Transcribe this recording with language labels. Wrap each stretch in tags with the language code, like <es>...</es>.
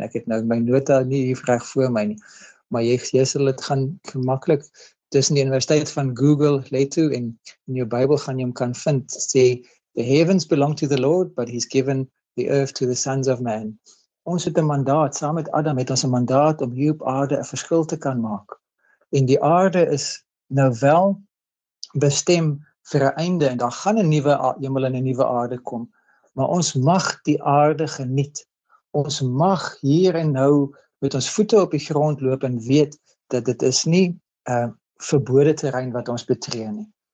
<af>Ek het nou my nota nie hier reg voor my nie. Maar jy sal dit gaan gemaklik tussen die universiteit van Google lê toe en in jou Bybel gaan jy hom kan vind. Sê</af> <en>the heavens belong to the Lord, but he's given the earth to the sons of man.</en> <af>Ons het 'n mandaat, saam met Adam het ons 'n mandaat om hier op aarde 'n verskil te kan maak. En die aarde is nou wel bestem vir 'n einde en daar gaan 'n nuwe hemel en 'n nuwe aarde kom. Maar ons mag die aarde geniet. Ons mag hier en nou met ons voete op die grond loop en weet dat dit is nie 'n verbode terrein wat ons betree nie.</af>